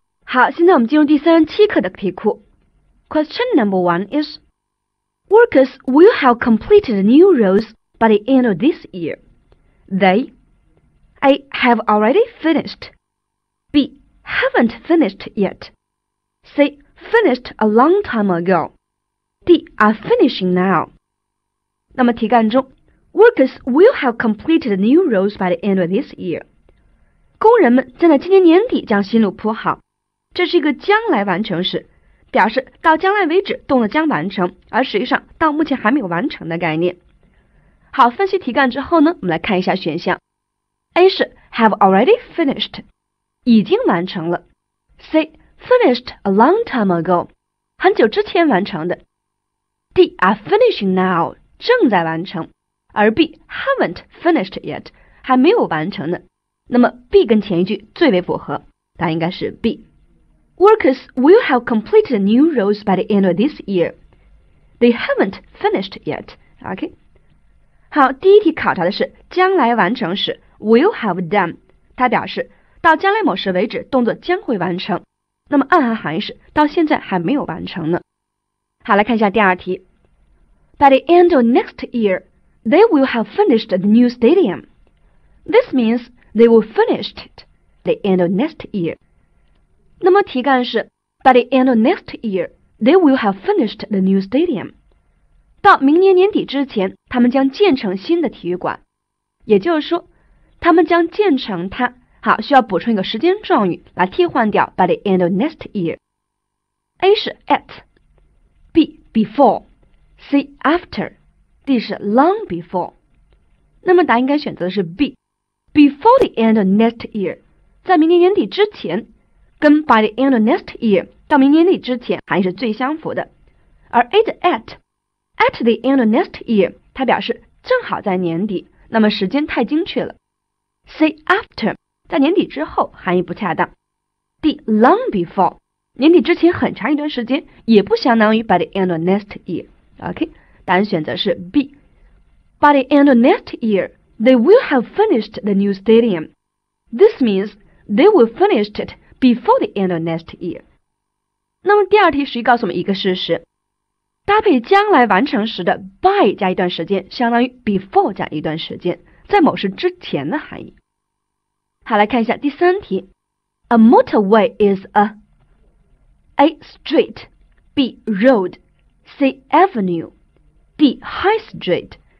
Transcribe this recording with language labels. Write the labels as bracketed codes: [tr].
[zh] 好，现在我们进入第37课的题库。 [en] Question number one is, workers will have completed new roles by the end of this year. They, A, have already finished. B, haven't finished yet. C, finished a long time ago. D, are finishing now. [zh] 那么题干中 , [en] workers will have completed new roles by the end of this year. [zh] 工人们将在今年年底将新路铺好。这是一个将来完成时，表示到将来为止，动作将完成，而实际上到目前还没有完成的概念。好，分析题干之后呢，我们来看一下选项。 A 是 [en] have already finished, [zh] 已经完成了。C, [en] finished a long time ago, [zh] 很久之前完成的。 D, [en] are finishing now, [zh] 正在完成。而 B, [en] haven't finished yet, [zh] 还没有完成的。那么 B 跟前一句最为符合，答应该是 B。 [en] Workers will have completed new roles by the end of this year. They haven't finished yet. OK. [zh] 好，第一题考察的是将来完成时 [en] will have done. [zh] 它表示到将来某时为止，动作将会完成。那么暗含含义是到现在还没有完成呢。好，来看一下第二题。 [en] By the end of next year, they will have finished the new stadium. This means they will finish it at the end of next year. [zh] 那么题干是 [en] By the end of next year, they will have finished the new stadium. [zh] 到明年年底之前，他们将建成新的体育馆。也就是说，他们将建成它。好，需要补充一个时间状语来替换掉 [en] By the end of next year. [zh] A 是 at, B before, C after, D 是 long before. 那么答案应该选择的是 B. [en] Before the end of next year, [zh] 在明年年底之前。跟 [en] by the end of next year [zh] 到明年底之前还是最相符的，而 [en] it at the end of next year [zh] 它表示正好在年底，那么时间太精确了。 C after 在年底之后含义不恰当。 D long before 年底之前很长一段时间也不相当于 [en] by the end of next year。 [zh] OK， 答案选择是 B。 [en] By the end of next year they will have finished the new stadium. This means they will finish itBefore the end of next year. [zh] 那么第二题实际告诉我们一个事实，搭配将来完成时的 by 加一段时间，相当于 before 加一段时间，在某事之前的含义。 [en] 好，来看一下第三题。A motorway is A street, B road, C avenue, D high street.